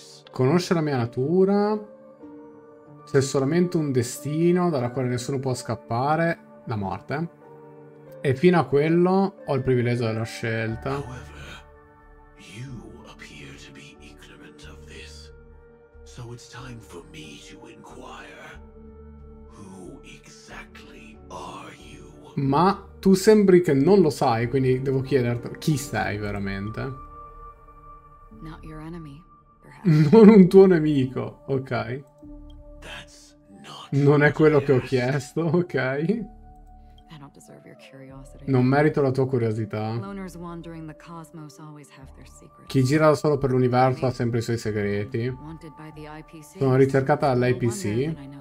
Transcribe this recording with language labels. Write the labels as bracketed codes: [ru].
[it] Conosce la mia natura, c'è solamente un destino dalla quale nessuno può scappare, la morte. E fino a quello ho il privilegio della scelta. [en] However, you appear to be ignorant of this, so it's time for me to inquire. Who exactly are you? [it] Ma tu sembri che non lo sai, quindi devo chiederti chi sei veramente. [en] Not your enemy. [it] Non un tuo nemico, ok. [en] That's not, [it] non è quello che ho chiesto, ok. [en] I don't deserve your curiosity. [it] Non merito la tua curiosità. [en] Loners wandering the cosmos always have their secrets. [it] Chi gira solo per l'universo ha sempre i suoi segreti. Sono ricercata dall'IPC.